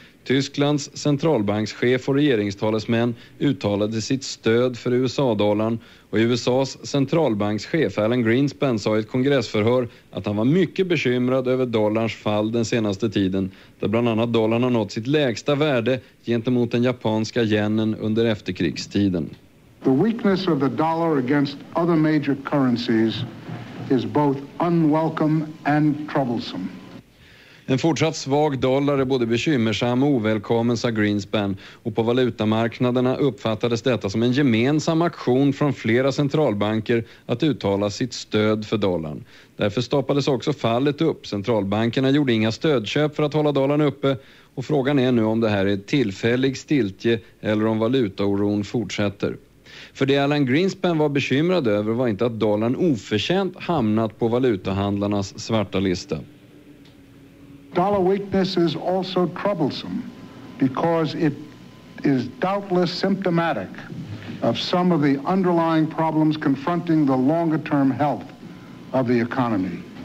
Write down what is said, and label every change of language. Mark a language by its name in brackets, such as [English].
[Swedish] Tysklands centralbankschef och regeringstalesmän uttalade sitt stöd för USA-dollarn och USA:s centralbankschef Alan Greenspan sa i ett kongressförhör att han var mycket bekymrad över dollarns fall den senaste tiden där bland annat dollarn har nått sitt lägsta värde gentemot den japanska yenen under efterkrigstiden. [English] The weakness of the dollar against other major currencies is both unwelcome and troublesome. [Swedish] En fortsatt svag dollar är både bekymmersam och ovälkommen, sa Greenspan. Och på valutamarknaderna uppfattades detta som en gemensam aktion från flera centralbanker att uttala sitt stöd för dollarn. Därför stoppades också fallet upp. Centralbankerna gjorde inga stödköp för att hålla dollarn uppe. Och frågan är nu om det här är tillfällig stiltje eller om valutaoron fortsätter. För det Alan Greenspan var bekymrad över var inte att dollarn oförtjänt hamnat på valutahandlarnas svarta lista. [English] Dollar weakness is also troublesome because it is doubtless symptomatic of some of the underlying problems confronting the longer term health of the economy.